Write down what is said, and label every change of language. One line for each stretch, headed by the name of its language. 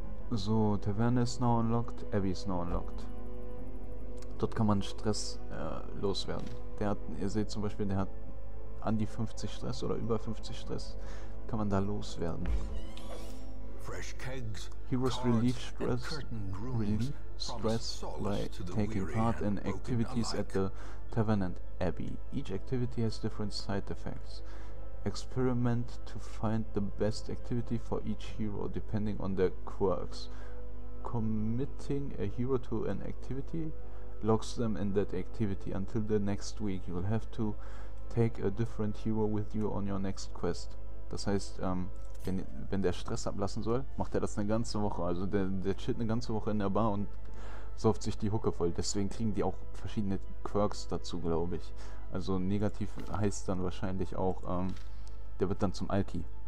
German: So, Taverne ist
English: now unlocked,
German: Abbey ist now unlocked. Dort kann man Stress loswerden. Der hat, ihr seht zum Beispiel, der hat an die 50 Stress oder über 50 Stress, kann man da loswerden.
English: Fresh kegs, Heroes relieve stress, by taking part in activities at the Tavern and Abbey. Each activity has different side effects. Experiment to find the best activity for each hero, depending on their quirks. Committing a hero to an activity locks them in that activity until the next week. You'll have to take a different hero with you on your next quest.
German: Das heißt, wenn der Stress ablassen soll, macht er das eine ganze Woche. Also der chillt eine ganze Woche in der Bar und sauft sich die Hucke voll. Deswegen kriegen die auch verschiedene Quirks dazu, glaube ich. Also negativ heißt dann wahrscheinlich auch, der wird dann zum Alki.